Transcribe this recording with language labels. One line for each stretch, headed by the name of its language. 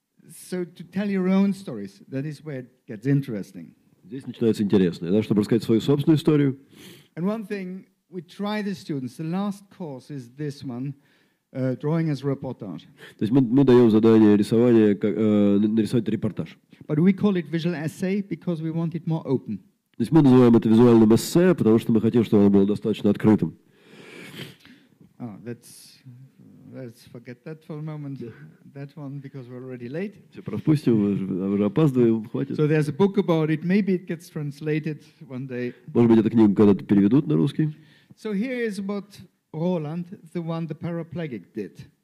English: So to tell your own stories, that is where it gets interesting.
Russian: Здесь начинается интересное, да, чтобы рассказать свою собственную историю.
English: And one thing. We try the students. The last course is this one, drawing as reportage.
Russian: То есть мы даем задание рисования, нарисовать репортаж.
English: But we call it visual essay because we want it more open.
Russian: То есть мы называем это визуальным эссе, потому что мы хотим, чтобы оно было достаточно открытым.
English: Oh, let's forget that for a moment. Yeah. That one because we're already late.
Russian: Все пропустим, уже опаздываем, хватит.
English: So there's a book about it. Maybe it gets translated one day.
Russian: Может быть, эта книга когда-то переведут на русский.
English: So here is what Roland, the one the paraplegic, did.